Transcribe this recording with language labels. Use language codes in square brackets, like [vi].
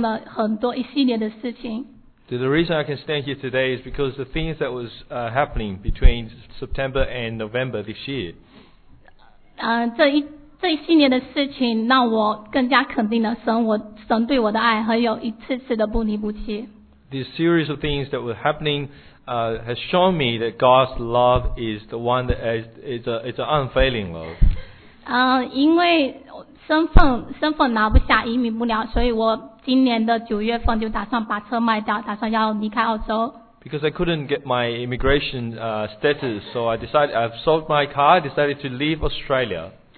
[zh] 今天站在这里是因为今年的9月到11月之间发生了很多一系列的事情。 [en] The reason I can stand here today is because the things that was happening between September and November this year. [zh] 这一系列的事情让我更加肯定了神对我的爱，还有一次次的不离不弃。 [en] This series of things that were happening has shown me that God's love is the one that is an unfailing love. [zh] 因为身份拿不下移民不了，所以我今年的9月份就打算把车卖掉，打算要离开澳洲。 [en] Because I couldn't get my immigration status, so I decided to leave Australia.